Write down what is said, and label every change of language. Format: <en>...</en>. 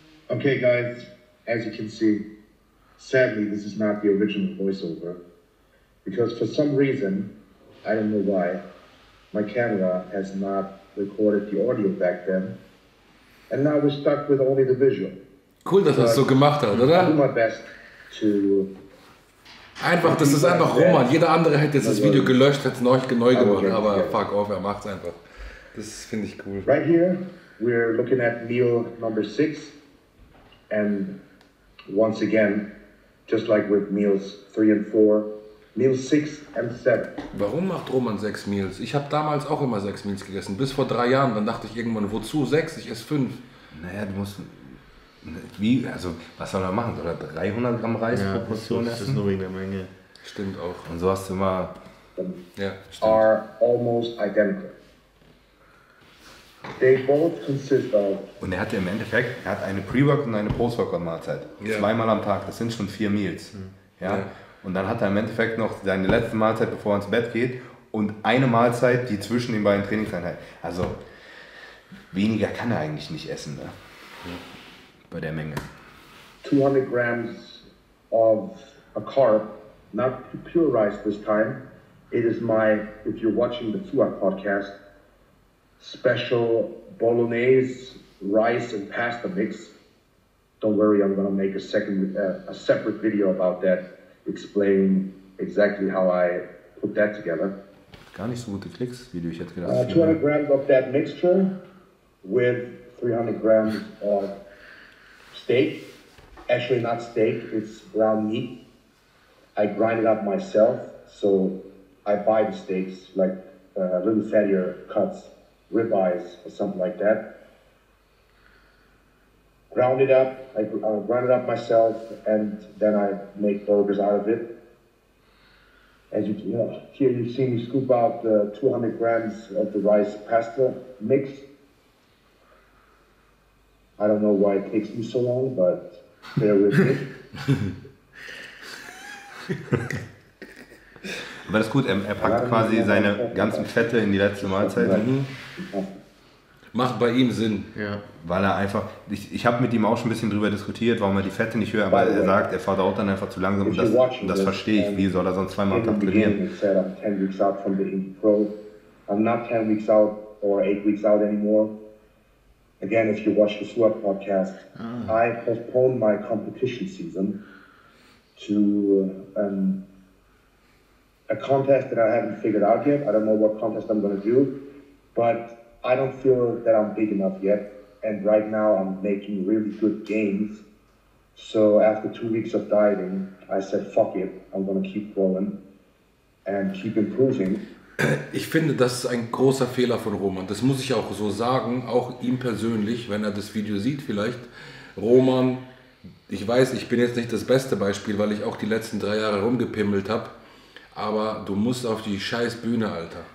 <en>Okay guys, as you can see, sadly this is not the original voiceover. Because for some reason, I don't know why, my camera has not recorded the audio back then. And now we're stuck with only the visual.</en> <de>Cool, dass er es so gemacht hat, oder?</de> <en>I'll do my best to</en> <de>einfach, das ist einfach Roman. Jeder andere hätte jetzt das Video gelöscht, hätte es neu gemacht, aber fuck off, er macht's einfach. Das finde ich cool.</de> <en>Right here, we're looking at meal number 6. And once again, just like with meals 3 and 4, meal 6 and 7.</en> <de>Warum macht Roman 6 Meals? Ich habe damals auch immer 6 Meals gegessen, bis vor 3 Jahren. Dann dachte ich irgendwann, wozu 6? Ich esse 5. Naja, du musst... Wie, also, was soll er machen? Soll er 300 Gramm Reis pro Portion essen? Das ist nur wegen der Menge. Stimmt auch. Und so hast du immer... Ja, stimmt.</de> <en>...are almost identical. They both consist of...</en> <de>Und er hatte im Endeffekt, er hat eine Pre-Work und eine Post-Work-Mahlzeit. Yeah. Zweimal am Tag, das sind schon 4 Meals. Mhm. Ja? Und dann hat er im Endeffekt noch seine letzte Mahlzeit, bevor er ins Bett geht, und eine Mahlzeit, die zwischen den beiden Trainingseinheiten. Also, weniger kann er eigentlich nicht essen, ne? Bei der Menge.</de> <en>200 grams of a carb, not pure rice this time. It is my, if you're watching the Fuad podcast, special bolognese rice and pasta mix. Don't worry, I'm gonna make a separate video about that, explain exactly how I put that together.</en> <de>Gar nicht so gute Klicks, wie du, ich hätte gedacht.</de> <en>200 grams of that mixture with 300 grams of steak, actually not steak, it's ground meat. I grind it up myself, so I buy the steaks, like little fattier cuts, ribeyes or something like that. Ground it up, I grind it up myself, and then I make burgers out of it. As you can, here you see me scoop out the 200 grams of the rice pasta mix. I don't know why it takes me so long, but bear with me.</en> <de>Aber das ist gut, er packt quasi seine ganzen Fette in die letzte Mahlzeit. Macht bei ihm Sinn. Ja. Weil er einfach, ich habe mit ihm auch schon ein bisschen drüber diskutiert, warum er die Fette nicht höher, aber er sagt, er verdaut dann einfach zu langsam. Und das verstehe ich, wie soll er sonst zweimal am Tag trainieren?</de> <en>I'm 10 weeks out from the Indie Pro. I'm not 10 weeks out or 8 weeks out anymore. Again, if you watch the SWAT podcast, I postponed my competition season to... a contest that I haven't figured out yet. I don't know what contest I'm gonna do, but I don't feel that I'm big enough yet. And right now I'm making really good gains. So after 2 weeks of dieting, I said, fuck it, I'm gonna keep growing and keep improving.</en> <de>Ich finde, das ist ein großer Fehler von Roman. Das muss ich auch so sagen, auch ihm persönlich, wenn er das Video sieht vielleicht. Roman, ich weiß, ich bin jetzt nicht das beste Beispiel, weil ich auch die letzten 3 Jahre rumgepimmelt habe. Aber du musst auf die scheiß Bühne, Alter.</de>